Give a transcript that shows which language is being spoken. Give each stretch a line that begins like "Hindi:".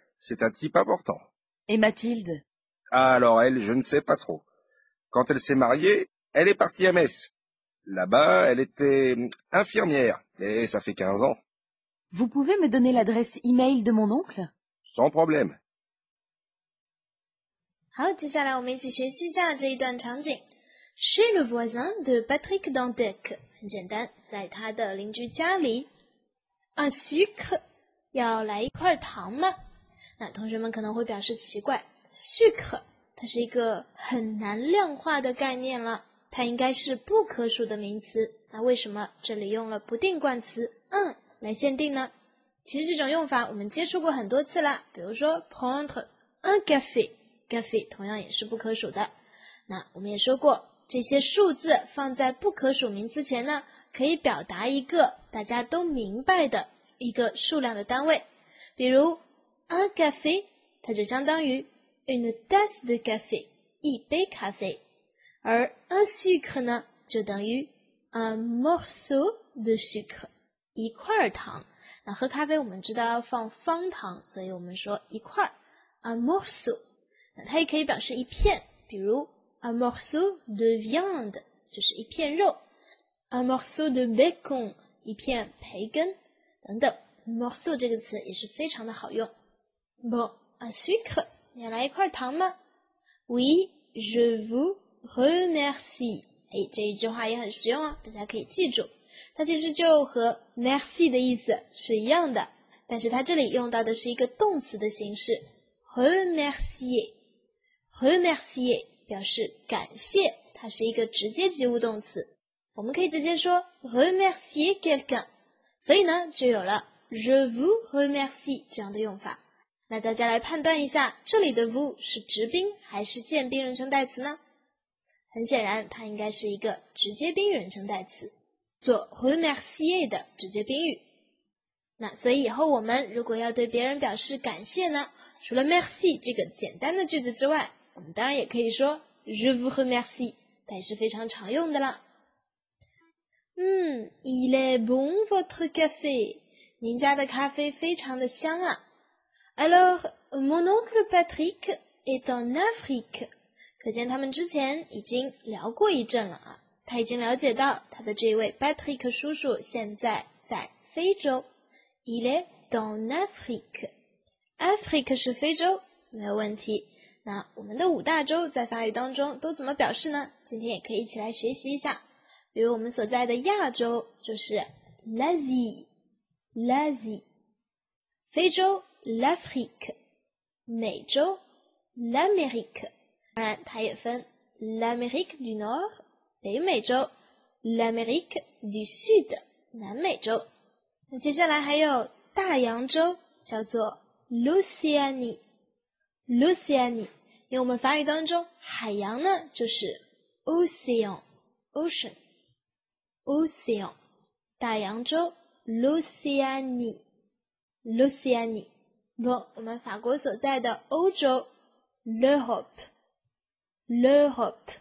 French: C'est un type important. Et Mathilde? Ah, alors elle, je ne sais pas trop. Quand elle s'est mariée, elle est partie à Metz. Là-bas, elle était infirmière, et ça fait 15 ans. Vous pouvez me donner l'adresse e-mail de mon oncle? Sans problème.
Chinese: 好，接下来我们一起学习一下这一段场景。
French: Chez le voisin de Patrick Dantec，
Chinese: 很简单，在他的邻居家里。
French: Un sucre，
Chinese: 要来一块糖吗？那同学们可能会表示奇怪 ，sucre 它是一个很难量化的概念了，它应该是不可数的名词。那为什么这里用了不定冠词 un 来限定呢？其实这种用法我们接触过很多次了，比如说
French: prendre un café，
Chinese: café 同样也是不可数的。那我们也说过，这些数字放在不可数名词前呢，可以表达一个大家都明白的一个数量的单位。比如 un café， 它就相当于
French: une tasse de café，
Chinese: 一杯咖啡。而 un sucre 呢，就等于
French: un morceau de sucre，
Chinese: 一块糖。那喝咖啡我们知道要放方糖，所以我们说一块 un morceau， 那它也可以表示一片，比如
French: un morceau de viande，
Chinese: 就是一片肉，
French: un morceau de bacon，
Chinese: 一片培根等等。 morceau 这个词也是非常的好用。
French: Bon, un sucre，
Chinese: 你要来一块糖吗？
French: Oui, je vous remercie。
Chinese: 哎，这一句话也很实用啊，大家可以记住，它其实就和 merci 的意思是一样的，但是它这里用到的是一个动词的形式 remercier 表示感谢，它是一个直接及物动词，我们可以直接说
French: remercier quelqu'un，
Chinese: 所以呢就有了
French: Je vous remercie
Chinese: 这样的用法。那大家来判断一下，这里的 vous 是直宾还是间宾人称代词呢？很显然，它应该是一个直接宾人称代词，做 remercier 的直接宾语。那所以以后我们如果要对别人表示感谢呢，除了 merci 这个简单的句子之外，我们当然也可以说
French: je vous remercie，
Chinese: 它也是非常常用的了。
French: Il est bon votre café，
Chinese: 您家的咖啡非常的香啊。
French: Alors, mon oncle Patrick est en Afrique.
Chinese: 可见他们之前已经聊过一阵了啊。他已经了解到他的这位 Patrick 叔叔现在在非洲。
French: Il est dans Afrique. Afrique
Chinese: 是非洲，没有问题。那我们的五大洲在法语当中都怎么表示呢？今天也可以一起来学习一下。比如我们所在的亚洲就是 l'Asie, l'Asie. 非洲l'Afrique, 美洲 l'Amérique, 当然它也分
French: l'Amérique du Nord,
Chinese: 北美洲
French: l'Amérique du Sud,
Chinese: 南美洲。那接下来还有大洋洲叫做 l'Océanie, l'Océanie, 因为我们法语当中海洋呢就是 Océan, Ocean, Océan, 大洋洲 l'Océanie, l'Océanie,Bon, 我们法国所在的欧洲 l'Europe, l'Europe.